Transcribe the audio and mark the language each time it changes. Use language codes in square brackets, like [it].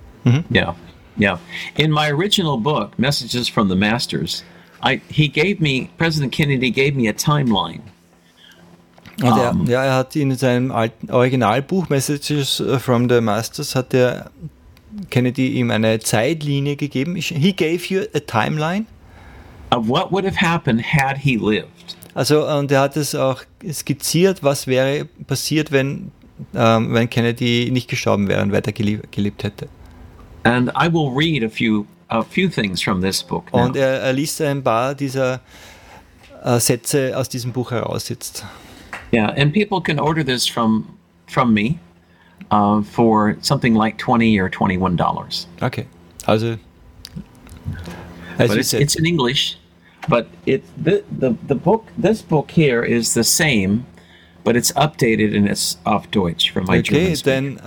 [en] Ja. Mhm. Yeah. In my original book, Messages from the Masters, President Kennedy gave me a timeline. [de] Er hat in seinem alten Originalbuch Messages from the Masters hat der Kennedy ihm eine Zeitlinie gegeben. [en] He gave you a timeline of what would have happened had he lived. [de] Also und er hat es auch skizziert, was wäre passiert, wenn Kennedy nicht gestorben wäre und weiter gelebt hätte. [en] And I will read a few things from this book now. [de] Und er liest ein paar dieser Sätze aus diesem Buch heraus jetzt. [en] Yeah, and people can order this from me for something like $20 or $21. [de] Okay, also. [en] But it's in English, but the book, this book here is the same, but it's updated and it's [de] auf Deutsch [en] from my German speaker.